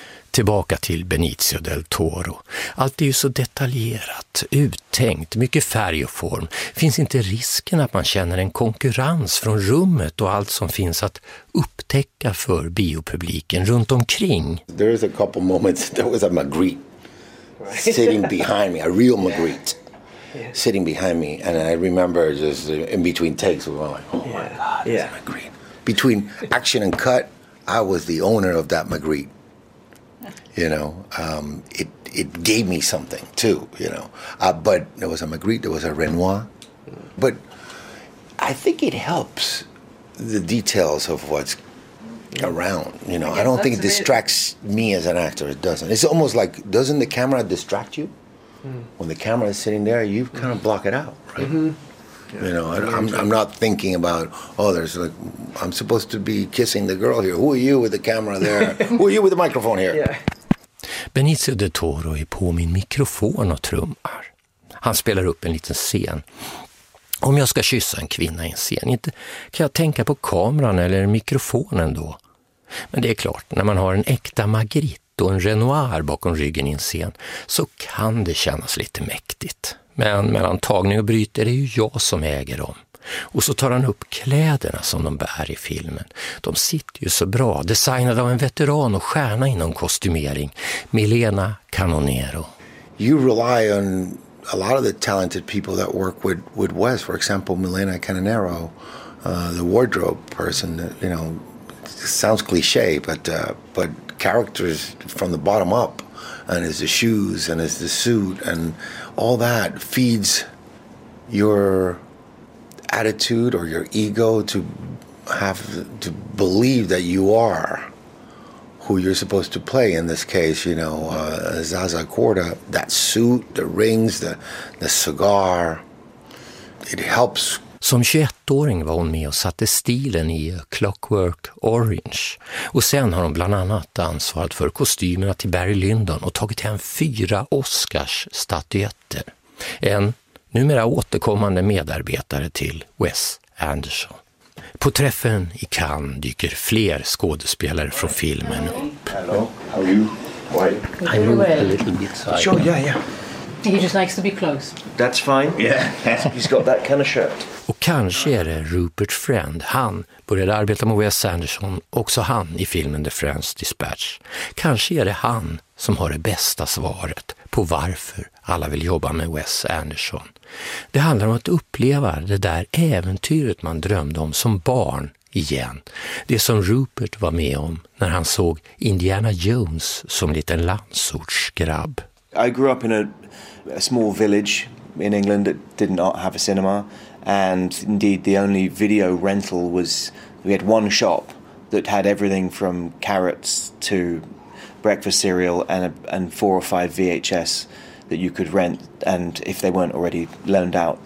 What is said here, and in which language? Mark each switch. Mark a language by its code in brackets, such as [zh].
[sv] Tillbaka till Benicio del Toro. Allt är ju så detaljerat, uttänkt, mycket färg och form. Finns inte risken att man känner en konkurrens från rummet och allt som finns att upptäcka för biopubliken runt omkring? [en] There is a couple moments. There was a Magritte sitting behind me, a real Magritte sitting behind me. And I remember just in between takes, we were like, oh my God, it's a Magritte. between action and cut, I was the owner of that Magritte. You know, it gave me something too, you know. But there was a Magritte, there was a Renoir. But I think it helps the details of what's around, you know. I don't think it distracts me as an actor. It doesn't. It's almost like, doesn't the camera distract you? Mm. When the camera is sitting there, you kind of block it out, right? Mm-hmm. Yeah. You know, I'm not thinking about, oh, there's like, I'm supposed to be kissing the girl here. Who are you with the camera there? Who are you with the microphone here? Yeah. [sv] Benicio del Toro är på min mikrofon och trummar. Han spelar upp en liten scen. Om jag ska kyssa en kvinna i en scen, inte kan jag tänka på kameran eller mikrofonen då. Men det är klart, när man har en äkta Magritte och en Renoir bakom ryggen i en scen så kan det kännas lite mäktigt. Men mellan tagning och bryt är det ju jag som äger dem. Och så tar han upp kläderna som de bär i filmen. De sitter ju så bra, designade av en veteran och stjärna inom kostymering, Milena Canonero. [en] You rely on a lot of the talented people that work with Wes, for example, Milena Canonero, the wardrobe person, you know, sounds cliche, but characters from the bottom up, and is the shoes and is the suit and all that feeds your attitude or your ego to have to believe that you are who you're supposed to play. In this case, you know, Zaza Korda, that suit, the rings, the cigar, it helps. [sv] Som 21-åring var hon med och satte stilen i Clockwork Orange. Och sen har hon bland annat ansvarat för kostymerna till Barry Lyndon och tagit hem 4 Oscars-statyetter. En numera återkommande medarbetare till Wes Anderson. På träffen i Cannes dyker fler skådespelare från filmen upp. [en] Hello, how are you? Why? I moved a little bit. So sure, I yeah. He just likes to be close. That's fine. Yeah, he's got that kind of shirt. [sv] Och kanske är det Rupert Friend. Han började arbeta med Wes Anderson, också han i filmen The French Dispatch. Kanske är det han som har det bästa svaret på varför alla vill jobba med Wes Anderson. Det handlar om att uppleva det där äventyret man drömde om som barn igen. Det som Rupert var med om när han såg Indiana Jones som liten landsortsgrabb. [en] I grew up in a small village in England that did not have a cinema, and indeed the only video rental was, we had one shop that had everything from carrots to breakfast cereal and 4 or 5 VHS that you could rent, and if they weren't already loaned out.